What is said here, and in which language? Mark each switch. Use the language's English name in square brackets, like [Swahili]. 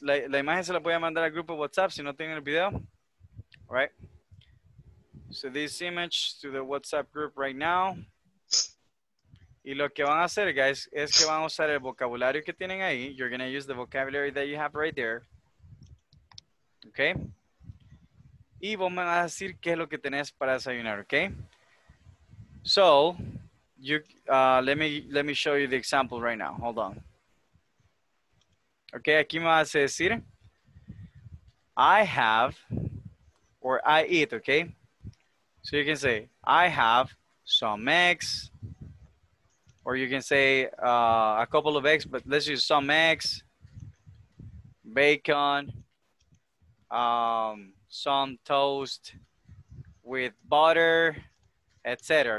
[Spanish] La imagen se la voy a mandar al grupo WhatsApp si no tienen el video. [English] All right. So, this image to the WhatsApp group right now. [Spanish] Y lo que van a hacer, guys, es que van a usar el vocabulario que tienen ahí. [English] You're going to use the vocabulary that you have right there. Okay. [Spanish] Y vos me vas a decir qué es lo que tenés para desayunar, okay? [English] So, let me show you the example right now. Hold on. Okay, [Spanish] aquí me vas a decir, [English] I have, or I eat, okay? So you can say, I have some eggs, or you can say a couple of eggs, but let's use some eggs, bacon, some toast with butter, etc.